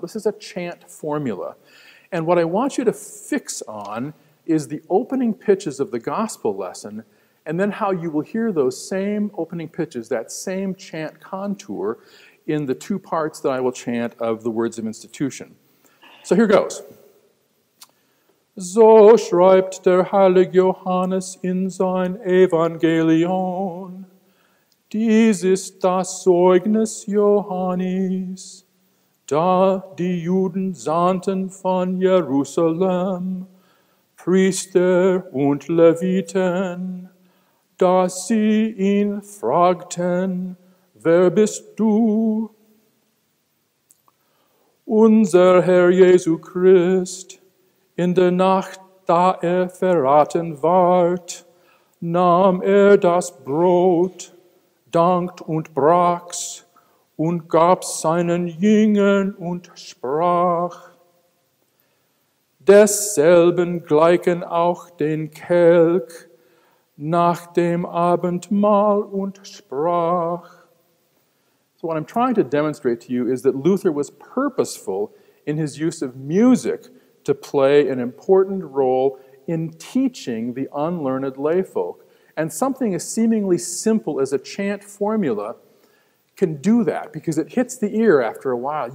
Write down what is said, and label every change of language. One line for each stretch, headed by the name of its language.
English: This is a chant formula. And what I want you to fix on is the opening pitches of the gospel lesson, and then how you will hear those same opening pitches, that same chant contour, in the two parts that I will chant of the words of institution. So here goes.
German: So schreibt der heilige Johannes in sein Evangelion. Dies ist das Zeugnis Johannes, da die Juden sandten von Jerusalem, Priester und Leviten, da sie ihn fragten, wer bist du? Unser Herr Jesu Christ, in der Nacht, da verraten ward, nahm das Brot, dankt und brach's, und gab seinen Jüngern und sprach. Desselben gleichen auch den Kelch nach dem Abendmahl und sprach.
English: So what I'm trying to demonstrate to you is that Luther was purposeful in his use of music to play an important role in teaching the unlearned lay folk. And something as seemingly simple as a chant formula can do that because it hits the ear after a while.